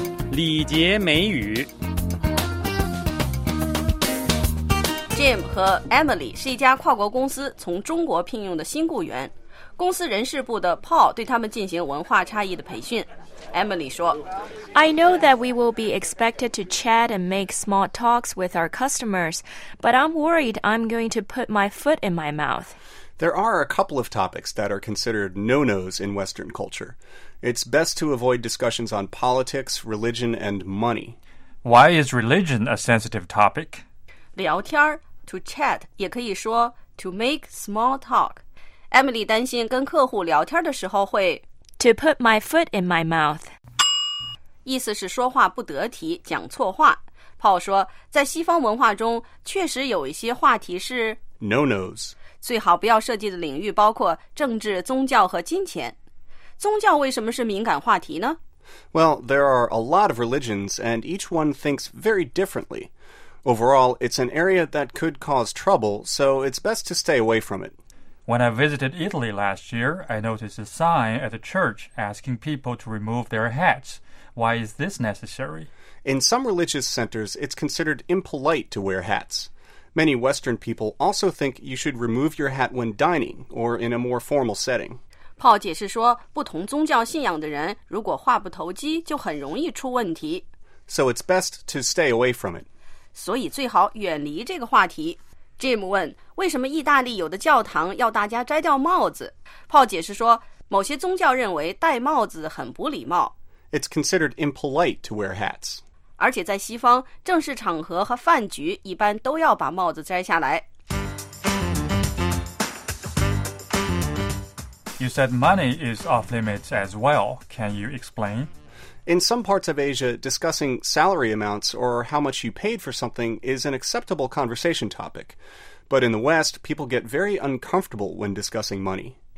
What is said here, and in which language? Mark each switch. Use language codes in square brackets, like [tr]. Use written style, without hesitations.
[zh] 礼节美语。 Jim 和 Emily 是一家跨国公司从中国聘用的新雇员。公司人事部的 Paul 对他们进行文化差异的培训。 Emily 说 [en] I know that we will be expected to chat and make small talks with our customers, but I'm worried I'm going to put my foot in my mouth. There are a couple of topics that are considered no-nos in Western culture. It's best to avoid discussions on politics, religion, and money. Why is religion a sensitive topic? [zh] 聊天 to chat, 也可以说 to make small talk. Emily 担心跟客户聊天的时候会 [en] To put my foot in my mouth. [zh] 意思是说话不得体，讲错话。 Paul 说，在西方文化中，确实有一些话题是 [en] No-nos. [zh] 最好不要涉及的领域包括政治、宗教和金钱。宗教为什么是敏感话题呢？ [en] Well, there are a lot of religions, and each one thinks very differently. Overall, it's an area that could cause trouble, so it's best to stay away from it. When I visited Italy last year, I noticed a sign at a church asking people to remove their hats. Why is this necessary? In some religious centers, it's considered impolite to wear hats. Many Western people also think you should remove your hat when dining or in a more formal setting. [zh] Paul 解释说，不同宗教信仰的人如果话不投机，就很容易出问题。 [en] So it's best to stay away from it. [zh] 所以最好远离这个话题。Jim 问，为什么意大利有的教堂要大家摘掉帽子？ Paul 解释说，某些宗教认为戴帽子很不礼貌。 [en] It's considered impolite to wear hats. [zh] 而且在西方，正式场合和饭局一般都要把帽子摘下来。 [en] You said money is off limits as well. Can you explain? In some parts of Asia, discussing salary amounts or how much you paid for something is an acceptable conversation topic. But in the West, people get very uncomfortable when discussing money.